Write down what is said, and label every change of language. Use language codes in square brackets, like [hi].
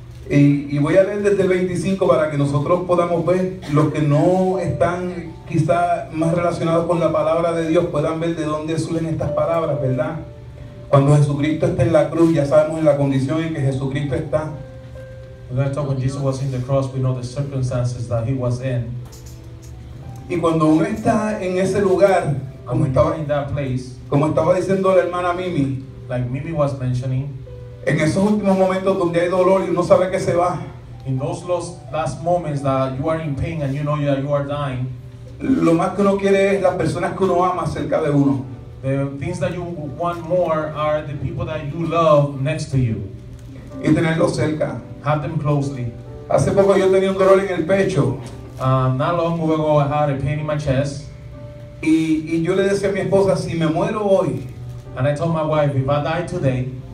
[es] Y voy a leer desde el 25 para que nosotros podamos ver, los que no están quizá más relacionados con la palabra de Dios puedan ver de dónde surgen estas palabras, ¿verdad? Cuando Jesucristo está en la cruz, ya sabemos en la condición en que Jesucristo está. [en] When Jesus was in the cross, we know the circumstances that he was in. [es] Y cuando uno está en ese lugar, como estaba [en] in that place, [es] como estaba diciendo la hermana Mimi, [en] like Mimi was mentioning, [es] en esos últimos momentos donde hay dolor y uno sabe que se va, [en] in those last moments that you are in pain and you know that you are dying, [es] lo más que uno quiere es las personas que uno ama cerca de uno. [en] The things that you want more are the people that you love next to you. [es] Y tenerlos cerca. [en] Have them closely. [es] Hace poco yo tenía un dolor en el pecho. [en] Not long ago I had a pain in my chest. [es] Y yo le decía a mi esposa, si me muero hoy, [en] and I told my wife, if I die today,